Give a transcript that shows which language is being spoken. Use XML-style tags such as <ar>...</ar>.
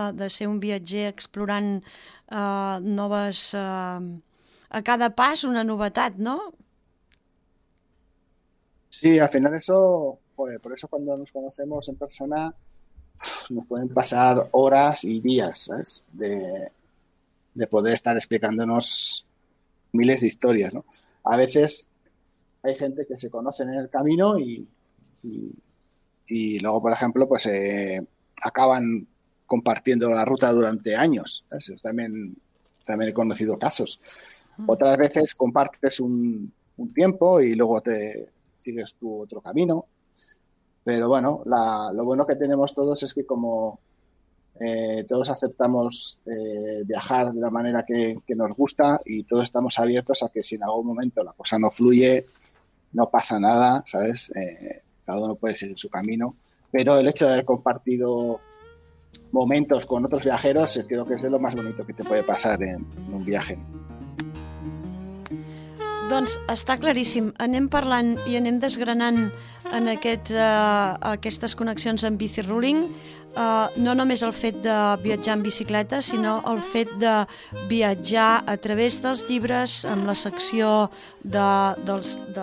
<ca>De ser un viatger explorant noves... a cada pas una novetat, no?</ca> <es>Sí, al final eso, joder, por eso cuando nos conocemos en persona nos pueden pasar horas y días, ¿sabes? De poder estar explicándonos miles de historias, ¿no? A veces hay gente que se conoce en el camino y luego, por ejemplo, pues acaban compartiendo la ruta durante años, ¿sabes? Yo también he conocido casos. Otras veces compartes un tiempo y luego te sigues tu otro camino. Pero bueno, lo bueno que tenemos todos es que como todos aceptamos viajar de la manera que nos gusta y todos estamos abiertos a que si en algún momento la cosa no fluye, no pasa nada, ¿sabes? Cada uno puede seguir su camino. Pero el hecho de haber compartido momentos con otros viajeros creo que es de lo más bonito que te puede pasar en un viaje.</es> <ca>Doncs està claríssim, anem parlant i anem desgranant en aquestes connexions amb Bici Ruling, no només el fet de viatjar en bicicleta, sinó el fet de viatjar a través dels llibres, amb la secció dels</ca>